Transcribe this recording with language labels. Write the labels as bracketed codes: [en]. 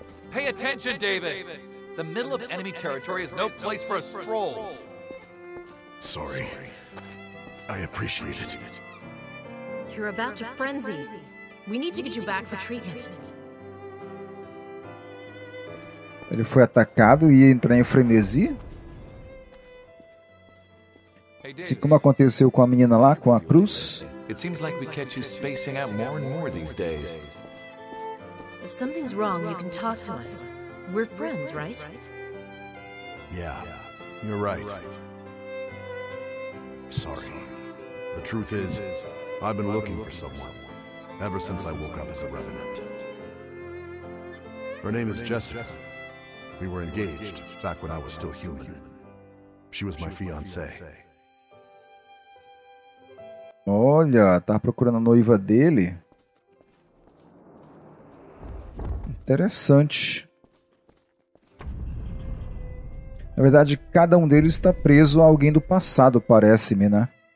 [en] Pay attention, Davis! The middle of enemy territory is no place for a stroll. Sorry. I appreciate it. You're about to frenzy. We need to get you back for treatment. [pt] Ele foi atacado e ia entrar em frenesi. Se como aconteceu com a menina lá, com a cruz. [en] It seems like we catch you spacing out more and more these days. If something's wrong, you can talk to us. We're friends, right? Yeah, you're right. Sorry. The truth is, I've been looking for someone ever since I woke up as a revenant. Her name is Jessica. We were engaged back when I was still human. She was my fiancée. [pt] Olha, tá procurando a noiva dele. Interessante. Na verdade, cada um deles está preso a alguém do passado, parece-me, né?